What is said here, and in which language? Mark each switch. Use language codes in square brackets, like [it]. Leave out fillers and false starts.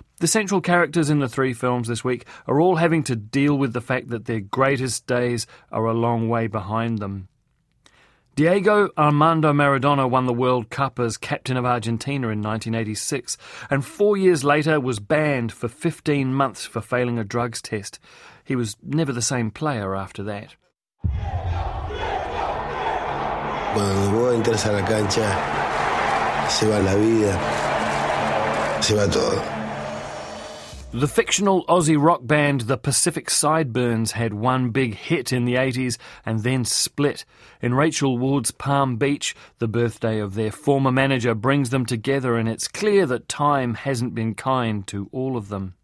[en] The central characters in the three films this week are all having to deal with the fact that their greatest days are a long way behind them. Diego Armando Maradona won the World Cup as captain of Argentina in 1986 and 4 years later was banned for 15 months for failing a drugs test. He was never the same player after that. [es] Cuando vos entras a la cancha, se va la vida, se va todo. [en] The fictional Aussie rock band The Pacific Sideburns had one big hit in the 80s and then split. In Rachel Ward's Palm Beach, the birthday of their former manager brings them together and it's clear that time hasn't been kind to all of them.